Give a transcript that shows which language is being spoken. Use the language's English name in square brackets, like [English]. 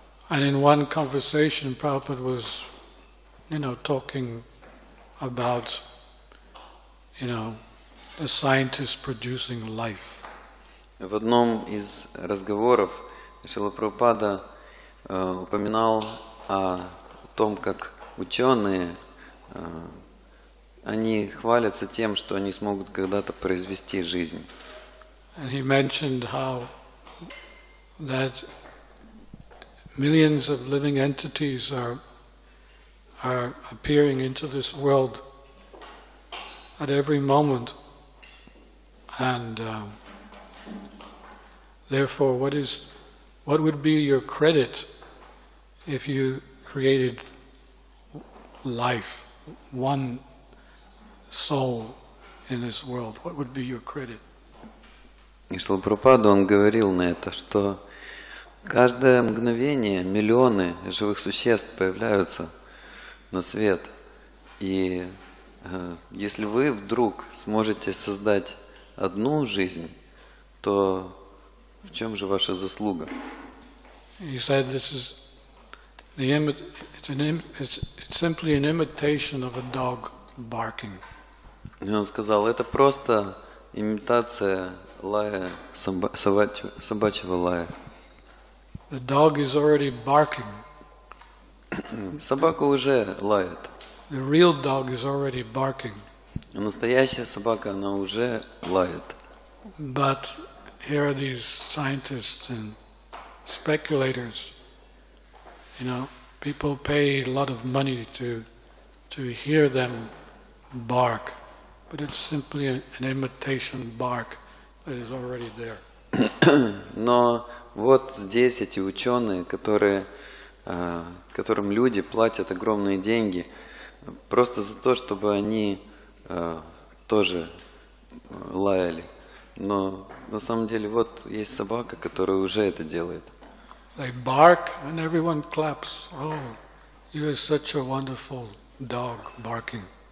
[English] And in one conversation, Prabhupada was, talking about, the scientists producing life. [Russian] В одном из разговоров Шрила Прабхупада упоминал о том, как ученые они хвалятся тем, что они смогут когда-то произвести жизнь. [English] And he mentioned how that millions of living entities are appearing into this world at every moment, and therefore, what would be your credit if you created life, one soul in this world? What would be your credit? [Russian] И Шрила Прабхупада, он говорил на это, что каждое мгновение миллионы живых существ появляются на свет. И если вы вдруг сможете создать одну жизнь, то в чем же ваша заслуга? [English] He said this is it's simply an imitation of a dog barking. [Russian] И он сказал, это просто имитация лая собачьего лая. [English] The dog is already barking. [Russian] Собака уже лает. [English] The real dog is already barking. [Russian] Настоящая собака, она уже лает. [English] But here are these scientists and speculators. People pay a lot of money to hear them bark, but it's simply an imitation bark. It is already there. [Russian] Но вот здесь эти ученые, которым люди платят огромные деньги просто за то, чтобы они тоже лаяли. Но на самом деле вот есть собака, которая уже это делает. [English] They bark and everyone claps. Oh, you are such a wonderful dog barking.